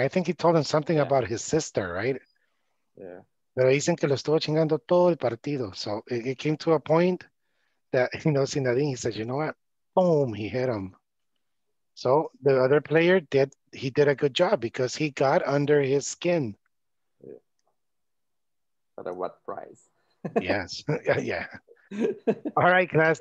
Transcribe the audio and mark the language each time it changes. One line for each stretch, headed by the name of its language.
English: I think he told him something about his sister, right? Yeah.
Spanish: Pero dicen que lo estuvo chingando todo el partido.
English: So it came to a point that, you know, Zinedine, he said, you know what? Boom, he hit him. So the other player did a good job because he got under his skin. Yeah. But at what price? Yes. Yeah. All right, class.